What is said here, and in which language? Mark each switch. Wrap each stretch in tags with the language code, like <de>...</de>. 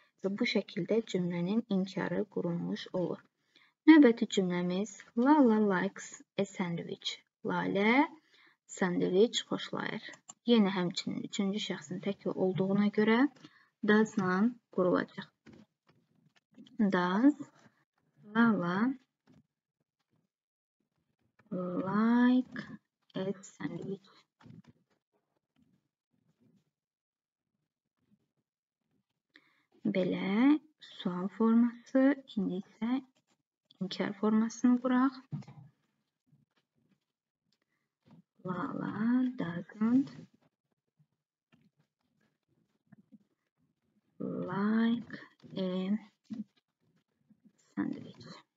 <az>Və bu şəkildə cümlənin inkarı qurulmuş olur. Növbəti cümləmiz</az> <en>Lala likes a sandwich.</en> <az>Lalə sandviç xoşlayır. Yenə həmçinin üçüncü şəxsin təki olduğuna görə does-la qurulacaq.</az> <en>Does Lala like a sandwich?</en> <az>Belə sual forması, indi isə inkar formasını quraq.</az> <en>Lala doesn't like a sandwich.</en>